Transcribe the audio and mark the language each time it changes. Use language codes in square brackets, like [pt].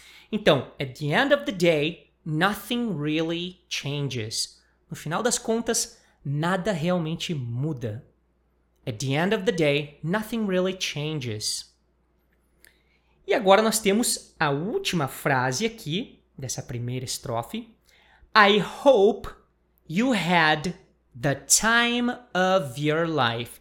[en] Então, at the end of the day, nothing really changes. [pt] No final das contas, nada realmente muda. [en] At the end of the day, nothing really changes. [pt] E agora nós temos a última frase aqui, dessa primeira estrofe. [en] I hope you had the time of your life.